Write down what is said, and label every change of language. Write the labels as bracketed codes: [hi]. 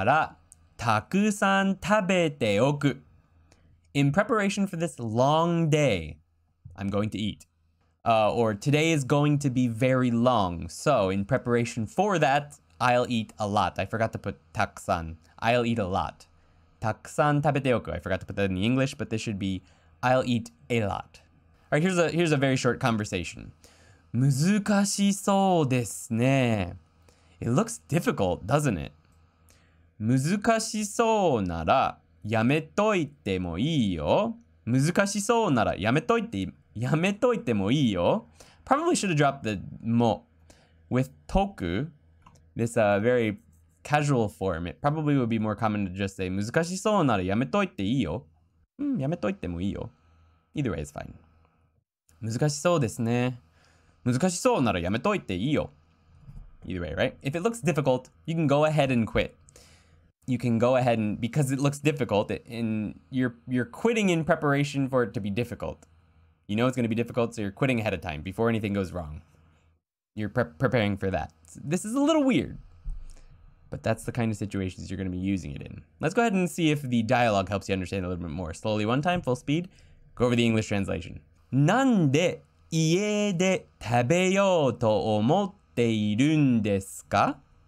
[ja] 今日は長いからたくさん食べておく。 [en] In preparation for this long day, I'm going to eat. Or today is going to be very long. So in preparation for that, I'll eat a lot. I forgot to put たくさん.I'll eat a lot. [ja] たくさん食べておく. [en] I forgot to put that in the English, but this should be I'll eat a lot. All right, here's a very short conversation. [ja] 難しそうですね. [en] It looks difficult, doesn't it? [ja] 難しそうならやめといてもいいよ. 難しそうならやめといてもいいよ. [en] Probably should have dropped the mo. With toku, this very casual form, it probably would be more common to just say, [ja] 難しそうならやめといていいよ. やめといてもいいよ. [en] Either way, it's fine. [ja] 難しそうですね. 難しそうならやめといていいよ. [en] Either way, right? If it looks difficult, you can go ahead and quit. You can go ahead and, because it looks difficult, and you're quitting in preparation for it to be difficult. You know it's going to be difficult, so you're quitting ahead of time, before anything goes wrong. You're preparing for that. This is a little weird. But that's the kind of situations you're going to be using it in. Let's go ahead and see if the dialogue helps you understand a little bit more. Slowly, one time, full speed, go over the English translation. [ja] なんで家で食べようと思っているんですか?